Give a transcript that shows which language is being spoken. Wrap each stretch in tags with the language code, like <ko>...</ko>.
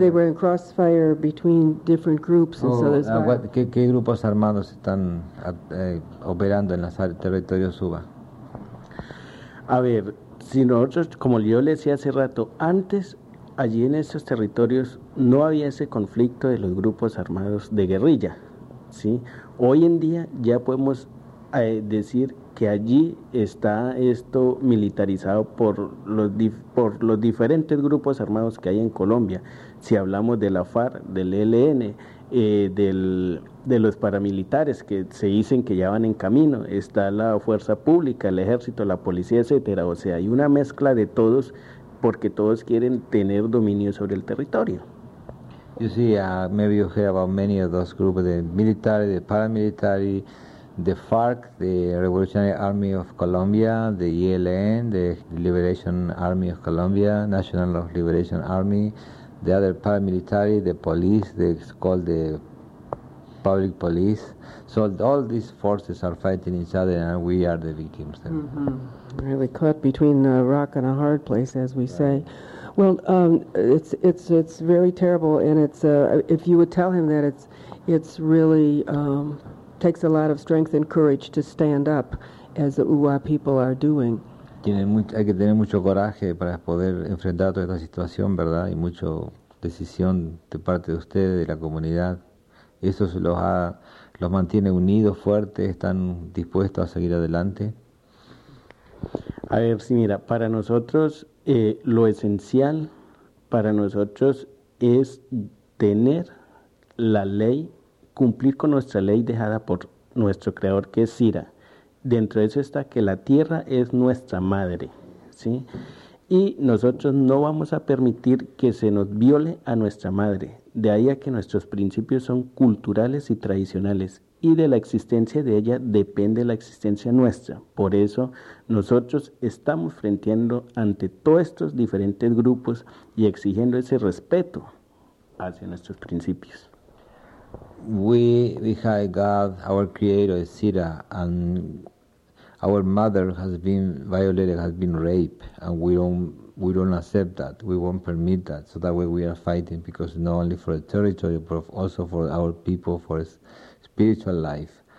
<en>They were in crossfire between different groups, and so there's.</en> <es>¿Qué grupos armados están operando en las territorios UBA? A ver, si nosotros, como yo le decía hace rato, antes allí en esos territorios no había ese conflicto de los grupos armados de guerrilla, ¿sí? Hoy en día ya podemos decir que allí está esto militarizado por los diferentes grupos armados que hay en Colombia. Si hablamos de la FARC, del ELN, de los paramilitares que se dicen que ya van en camino, está la fuerza pública, el ejército, la policía, etcétera. O sea, hay una mezcla de todos porque todos quieren tener dominio sobre el territorio.</es> <en>You see, maybe you hear about many of those groups, the military, the paramilitary, the FARC, the Revolutionary Army of Colombia, the ELN, the Liberation Army of Colombia, National Liberation Army, the other paramilitary, the police, it's called the public police. So all these forces are fighting each other and we are the victims. Mm-hmm. Really caught between a rock and a hard place, as we say. Well, it's very terrible, and it's if you would tell him that it's really... takes a lot of strength and courage to stand up, as the Uwa people are doing.</en> <es>Hay que tener mucho coraje para poder enfrentar toda esta situación, ¿verdad? Y mucha decisión de parte de ustedes, de la comunidad. Eso los mantiene unidos, fuertes, están dispuestos a seguir adelante. A ver, sí, mira, para nosotros lo esencial para nosotros es tener la ley, cumplir con nuestra ley dejada por nuestro creador, que es Sira. Dentro de eso está que la tierra es nuestra madre, ¿sí? Y nosotros no vamos a permitir que se nos viole a nuestra madre. De ahí a que nuestros principios son culturales y tradicionales, y de la existencia de ella depende la existencia nuestra. Por eso nosotros estamos frenteando ante todos estos diferentes grupos y exigiendo ese respeto hacia nuestros principios.</es> <en>We have God, our creator, Sira, and our mother has been violated, has been raped, and we don't accept that. We won't permit that. So that way we are fighting, because not only for the territory, but also for our people, for spiritual life.</en>